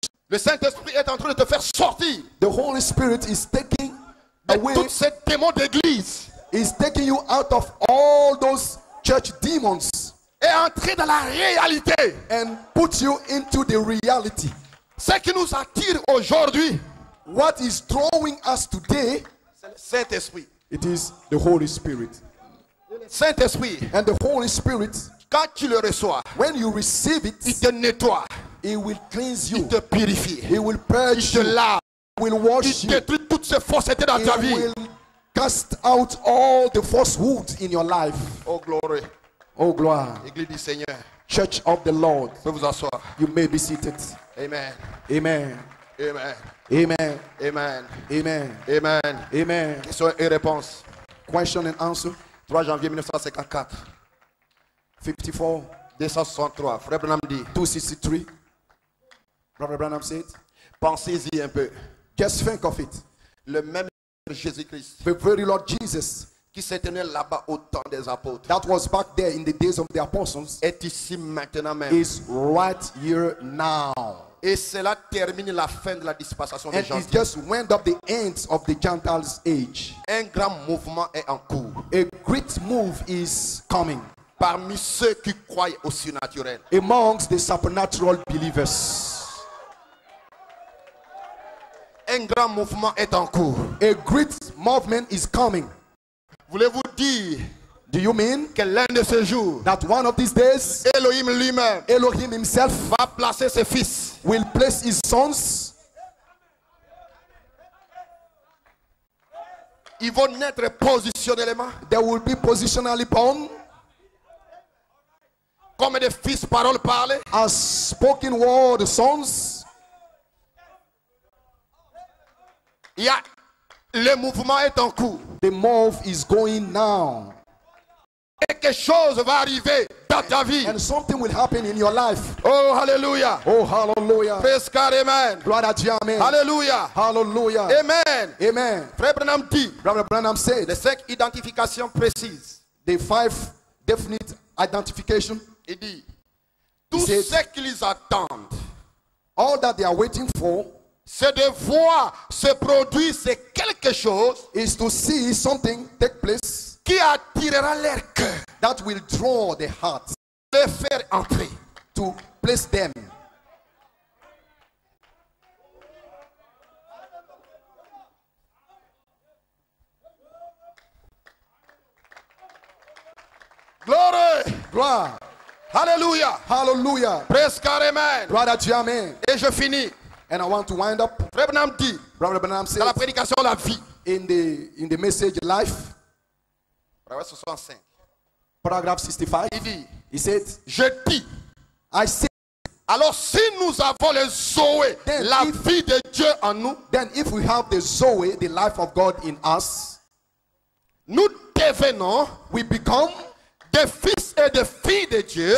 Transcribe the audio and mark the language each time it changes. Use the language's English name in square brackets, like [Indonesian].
[French] Le Saint-Esprit est en train de te faire sortir. [English] The Holy Spirit is taking away [French] toutes ces démons d'église. [English] Is taking you out of all those church demons. [French] Et entrer dans la réalité. [English] And put you into the reality. [French] Ce qui nous attire aujourd'hui, [English] what is drawing us today, [French] Saint-Esprit. [English] It is the Holy Spirit. [French] Saint-Esprit. [English] And the Holy Spirit, [French] quand tu le reçois, [English] when you receive it, [French] il te nettoie. [English] He will cleanse you. [French] Il te purifie. [English] He will purge [French] il te lave. [English] He will wash [French] il détruit [English] you. [French] Toutes ses faussetés dans [English] he [French] ta vie. [English] Will cast out all the falsehoods in your life. Oh glory. [French] Oh gloire. Église du Seigneur. [English] Church of the Lord. [French] Vous pouvez vous asseoir. [English] You may be seated. Amen. Amen. Amen. Amen. Amen. Amen. Amen. Amen. [French] Question et réponse. [English] Question and answer. [French] 3 janvier 1954. 54. 263. Frère Branham dit. [English] 263. Brother Branham said. [French] Pensez-y un peu. [English] Just think of it. [French] Le même Jésus-Christ. [English] The very Lord Jesus. [French] Qui s'est tenu là-bas au temps des apôtres. [English] That was back there in the days of the apostles. [French] Est ici maintenant même. [English] Is right here now. [French] Et cela termine la fin de la dispensation des gentils. [English] And it just went up the end of the Gentiles age. [French] Un grand mouvement est en cours. [English] A great move is coming. [French] Parmi ceux qui croient au surnaturel. [English] Amongst the supernatural believers. [French] Un grand mouvement est en cours. [English] A great movement is coming. [French] Voulez-vous dire? [English] Do you mean [French] que l'un de ces jours, [English] that one of these days, [French] Elohim lui-même, [English] Elohim himself, [French] va placer ses fils, [English] will place his sons. [French] Ils vont naître positionnellement. [English] They will be positionally born. [French] Comme des fils parole parlée. [English] As spoken word sons. Yeah. [French] Le mouvement est en cours. [English] The move is going now. [French] Quelque chose va arriver dans ta vie. [English] And something will happen in your life. Oh hallelujah. Oh hallelujah. Praise God, amen. Glory to you, amen. Hallelujah. Hallelujah. Amen. Amen. [French] Frère Branham dit. [English] Brother Branham said. [French] Les 5 identifications précises. [English] The 5 definite identification. [French] Il dit. Tout said, ce qu'ils attendent. [English] All that they are waiting for. [French] C'est de voir se produire quelque chose. [English] Is to see something take place. [French] Qui attirera leur cœur. [English] That will draw their hearts. [French] De faire entrer. [English] To place them. Glory. [French] Gloire. Hallelujah. Hallelujah. [English] Praise God, amen. [French] Gloire à Dieu, amen. Et je finis. [English] And I want to wind up. [French] Frère Branham dit, [English] Brother Branham says, [French] dans la prédication la vie, [English] in the message life, paragraph 65. Paragraph 65. [French] Il dit, [English] he said, [French] je dis, [English] I say, [French] alors si nous avons le Zoé, la vie de Dieu en nous, [English] then if we have the Zoé, the life of God in us, [French] nous devenons, [English] we become, [French] des fils et des filles de Dieu,